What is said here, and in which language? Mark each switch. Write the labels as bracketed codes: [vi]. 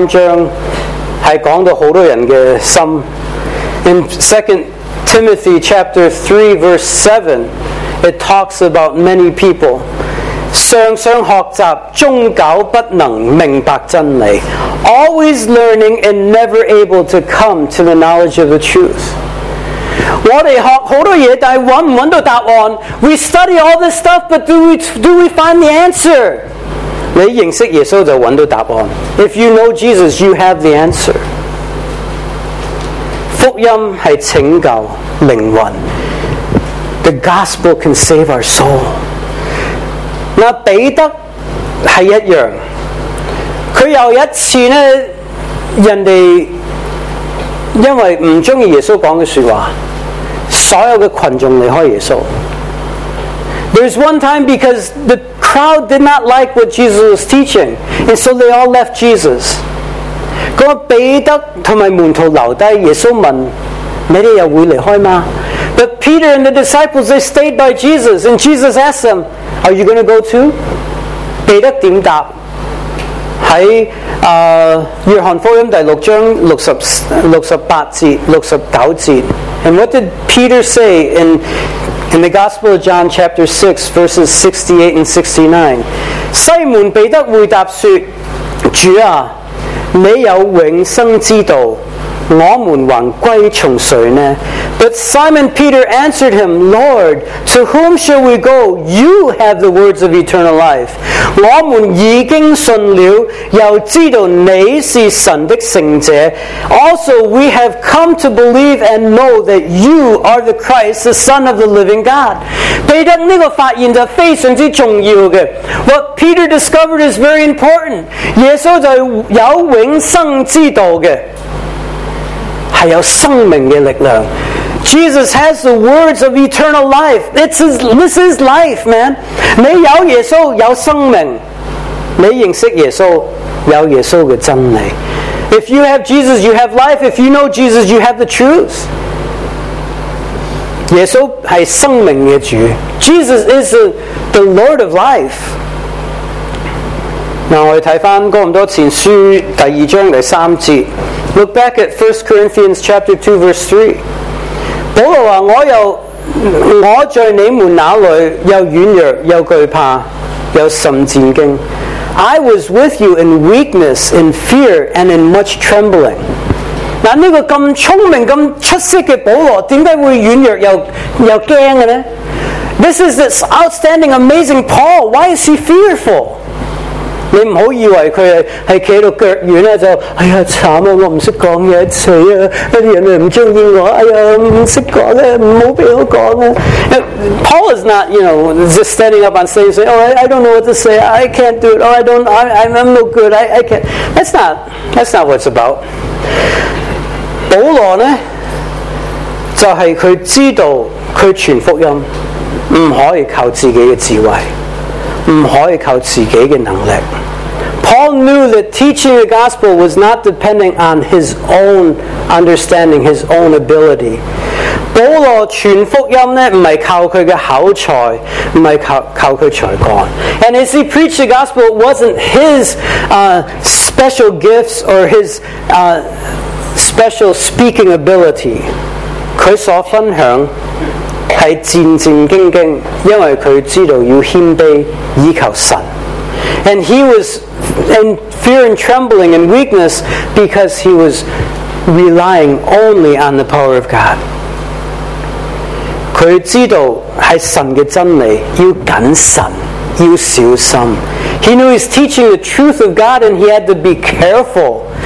[zh] 提摩太后书第三章是讲到很多人的心。 [en] In 2 Timothy chapter 3 verse 7, it talks about many people. [zh] 常常学习,终究不能明白真理。 [en] Always learning and never able to come to the knowledge of the truth. [zh] 我们学很多东西,但找不到答案。 [en] We study all this stuff, but do we find the answer? [zh] 你认识耶稣就找到答案。 [en] If you know Jesus, you have the answer. [zh] 福音是拯救灵魂。 [en] The gospel can save our soul. [zh] 那彼得是一样，他有一次呢，人家因为不喜欢耶稣讲的说话，所有的群众离开耶稣。 [en] There's one time because the crowd did not like what Jesus was teaching, and so they all left Jesus. [zh] 那彼得和门徒留下，耶稣问你们又会离开吗？ [en] But Peter and the disciples, they stayed by Jesus, and Jesus asked them, are you going to go too? [zh] 彼得怎么答？在约翰福音第六章六十八节， [en] And what did Peter say in the Gospel of John chapter 6 verses 68 and 69? [zh] 西门彼得回答说，主啊，你有永生之道，我们还归从谁呢？ [en] But Simon Peter answered him, Lord, to whom shall we go? You have the words of eternal life. [zh] 我们已经信了，又知道你是神的圣者。 [en] Also, we have come to believe and know that you are the Christ, the Son of the living God. [zh] 彼得这个发现是非常重要的。 [en] What Peter discovered is very important. [zh] 耶稣是有永生之道的，是有生命的力量。 [en] Jesus has the words of eternal life. This is life, man. [zh] 你有耶稣有生命，你认识耶稣有耶稣的真理。 [en] If you have Jesus, you have life. If you know Jesus, you have the truth. [zh] 耶稣是生命的主。 [en] Jesus is the Lord of life. [zh] 那我们看回哥林多前书第二章第三节。 [en] Look back at 1 Corinthians chapter 2 verse 3. [zh] 保罗说，我在你们那里又软弱又惧怕又甚战惊。 [en] I was with you in weakness, in fear, and in much trembling. [zh] 那这个这么聪明这么出色的保罗为什么会软弱 又惊呢？ [en] This is this outstanding, amazing Paul. Why is he fearful? [zh] 你不要以为他是站在脚软，就哎呀惨啊，我不懂说话，死啊，人家不喜欢我，哎呀不懂说话，不要让我说话。 [en] Now, Paul is not, you know, just standing up on stage saying, oh, I don't know what to say, I can't do it, oh, I don't, I'm no good, I can't. That's not what it's about. [zh] 保罗呢，就是他知道他传福音不可以靠自己的智慧，不可以靠自己的能力。 [en] Paul knew that teaching the gospel was not depending on his own understanding, his own ability. [zh] 保罗传福音呢，不是靠他的口才，不是靠他才干。 [en] And as he preached the gospel, it wasn't his special gifts or his special speaking ability. [zh] 他所分享是战战兢兢，因为他知道要谦卑依靠神。 [en] And he was in fear and trembling and weakness because he was relying only on the power of God. [zh] 他知道是神的真理，要谨慎，要小心。 [en] He knew he's teaching the truth of God and he had to be careful.